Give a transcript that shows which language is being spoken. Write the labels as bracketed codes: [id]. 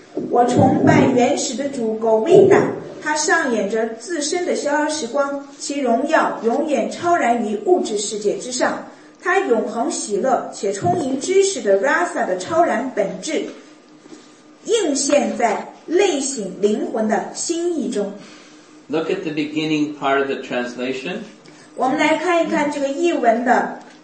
[zh] 我崇拜原始的主 Govinda， 他上演着自身的逍遥时光，其荣耀永远超然于物质世界之上。他永恒喜乐且充盈知识的 Rasa 的超然本质，映现在内省灵魂的心意中。 [en] Look at the beginning part of the translation. [zh] 我们来看一看这个译文的。